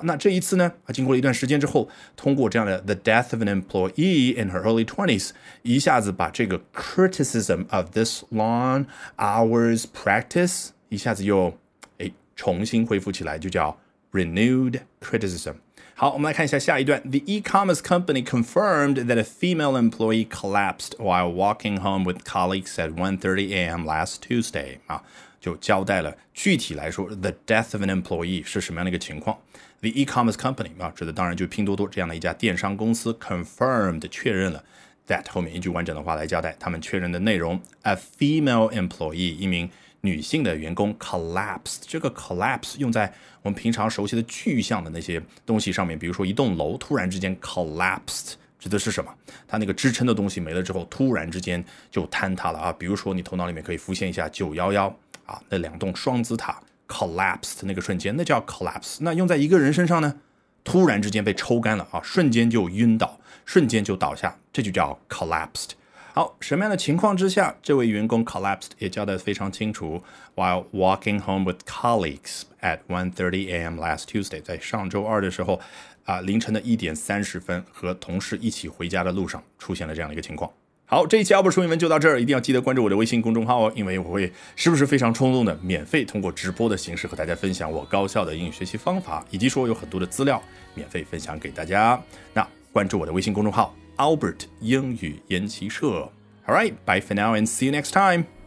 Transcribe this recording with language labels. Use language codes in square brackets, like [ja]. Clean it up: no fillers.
[zh] 那这一次呢，经过了一段时间之后，通过这样的 [en] The death of an employee in her early 20s [zh] 一下子把这个 [en] criticism of this long hours practice [zh] 一下子又重新恢复起来，就叫 renewed criticism。好，我们来看一下下一段。 [en] The e-commerce company confirmed that a female employee collapsed while walking home with colleagues at 1:30 a.m. last Tuesday、 [zh] 啊、就交代了具体来说 [en] the death of an employee [zh] 是什么样的一个情况。 [en] The e-commerce company、 [zh] 啊、指的当然就是拼多多这样的一家电商公司， confirmed 确认了 that 后面一句完整的话来交代他们确认的内容。 [en] A female employee [zh] 一名女性的员工 collapsed， 这个 collapse 用在我们平常熟悉的具象的那些东西上面，比如说一栋楼突然之间 collapsed 指的是什么，它那个支撑的东西没了之后突然之间就坍塌了啊。比如说你头脑里面可以浮现一下911、啊、那两栋双子塔 collapsed 那个瞬间，那叫 collapse。那用在一个人身上呢，突然之间被抽干了啊，瞬间就晕倒，瞬间就倒下，这就叫 collapsed。好，什么样的情况之下这位员工 collapsed 也交代非常清楚。 [en] While walking home with colleagues at 1:30 a.m. last Tuesday， [zh] 在上周二的时候、凌晨的1:30和同事一起回家的路上出现了这样的一个情况。好，这一期奥博说英文就到这儿，一定要记得关注我的微信公众号哦，因为我会时不时非常冲动的免费通过直播的形式和大家分享我高效的英语学习方法，以及说有很多的资料免费分享给大家。那关注我的微信公众号Albert 英语研习社。 [en] Alright, bye for now and see you next time.